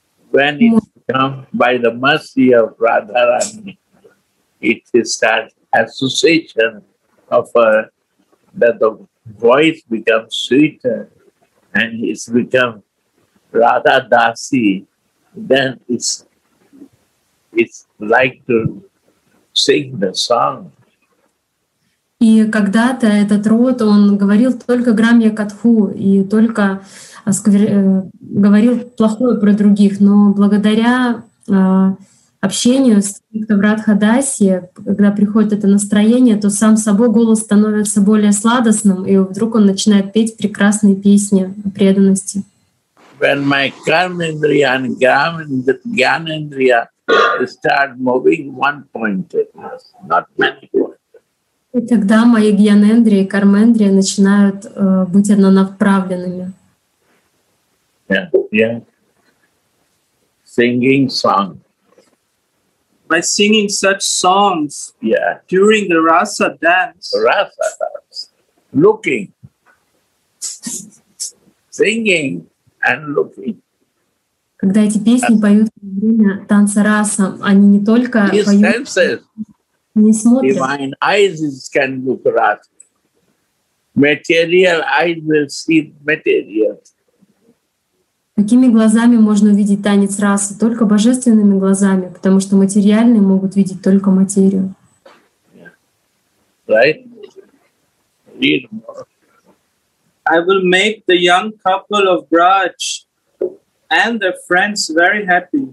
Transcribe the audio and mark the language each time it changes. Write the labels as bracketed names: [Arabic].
[English] When it comes by the mercy of Radharani, it is that association of her, that the voice becomes sweeter and it's become Radha Dasi, then it's like to sing the song. [Russian] И когда-то этот род, он говорил только грамья катху и только говорил плохое про других. Но благодаря общению с Радха Даси, когда приходит это настроение, то сам собой голос становится более сладостным, и вдруг он начинает петь прекрасные песни о преданности. [English] When my Karmendriya and Gyanendriya start moving one point, not many points. [Russian] И тогда мои Гьянендри и Кармендри начинают быть однонаправленными. [English] Yeah, yeah. Singing song. By singing such songs, yeah, during the rasa dance. Rasa dance. Looking. Singing and looking. [Russian] Когда эти песни поют во время танца раса, они не только поют. [English] Divine eyes can look rasa. Material eyes will see material. [Russian] Какими глазами можно увидеть танец расы? Только божественными глазами, потому что материальные могут видеть только материю. [English] Right? Read more. I will make the young couple of Braj and their friends very happy.